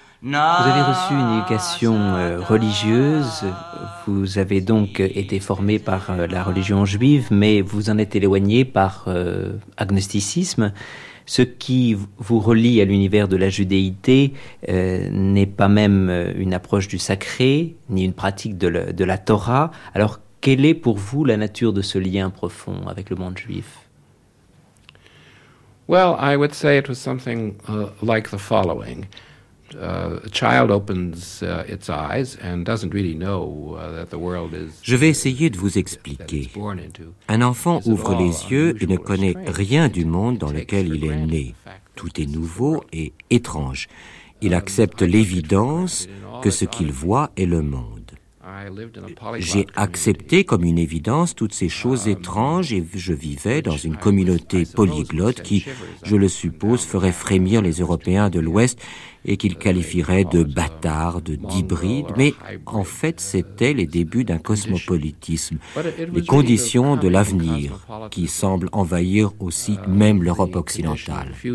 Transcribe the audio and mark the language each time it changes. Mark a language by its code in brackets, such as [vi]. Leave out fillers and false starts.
[fr] Vous avez reçu une éducation religieuse, vous avez donc été formé par la religion juive, mais vous en êtes éloigné par agnosticisme. ce qui vous relie à l'univers de la judéité n'est pas même une approche du sacré, ni une pratique de la Torah. Alors, quelle est pour vous la nature de ce lien profond avec le monde juif ? [en] Well, I would say it was something like the following. A child opens its eyes and doesn't really know that the world is. [fr] Je vais essayer de vous expliquer. Un enfant ouvre les yeux et ne connaît rien du monde dans lequel il est né. Tout est nouveau et étrange. Il accepte l'évidence que ce qu'il voit est le monde. J'ai accepté comme une évidence toutes ces choses étranges et je vivais dans une communauté polyglotte qui, je le suppose, ferait frémir les Européens de l'Ouest et qu'ils qualifieraient de bâtards, d'hybrides, mais en fait c'était les débuts d'un cosmopolitisme, les conditions de l'avenir qui semblent envahir aussi même l'Europe occidentale.